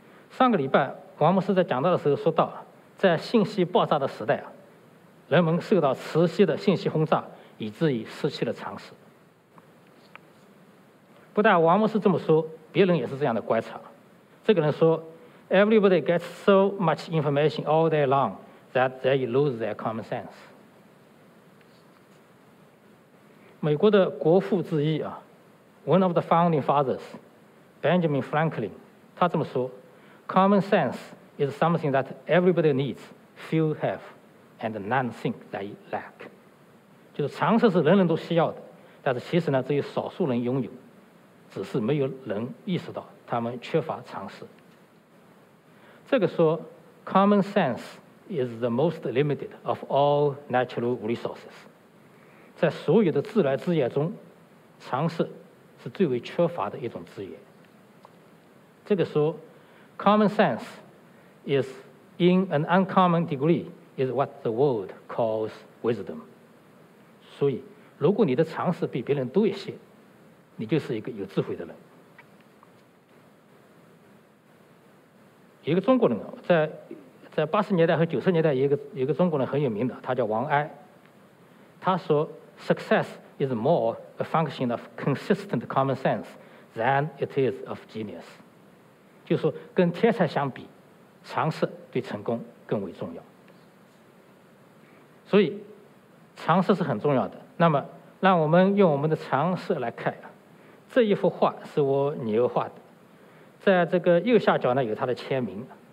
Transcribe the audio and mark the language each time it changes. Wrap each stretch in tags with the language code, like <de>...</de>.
<zh>上个礼拜王牧师在讲到的时候说到，在信息爆炸的时代，人们受到持续的信息轰炸，以至于失去了常识。不但王牧师这么说，别人也是这样的观察。这个人说，</zh> <en>Everybody gets so much information all day long that they lose their common sense。</en> <zh>美国的国父之一</zh> <en>One of the founding fathers Benjamin Franklin，</en> <zh>他这么说，</zh> <en>Common sense is something that everybody needs, few have, and none think they lack。</en> <zh>就是常识是人人都需要的，但是其实呢，只有少数人拥有，只是没有人意识到他们缺乏常识。这个说</zh> <en>Common sense is the most limited of all natural resources，</en> <zh>在所有的自然资源中，常识是最为缺乏的一种资源。这个说</zh> <en>Common sense is in an uncommon degree is what the world calls wisdom。</en> <zh>所以如果你的常识比别人多一些，你就是一个有智慧的人。一个中国人在80年代和90年代，一个中国人很有名的，他叫王安，他说</zh> <en>Success is more a function of consistent common sense than it is of genius。</en> <zh>就是说跟天才相比，常识对成功更为重要。所以常识是很重要的。那么让我们用我们的常识来看，这一幅画是我女儿画的，在这个右下角呢有她的签名。</zh>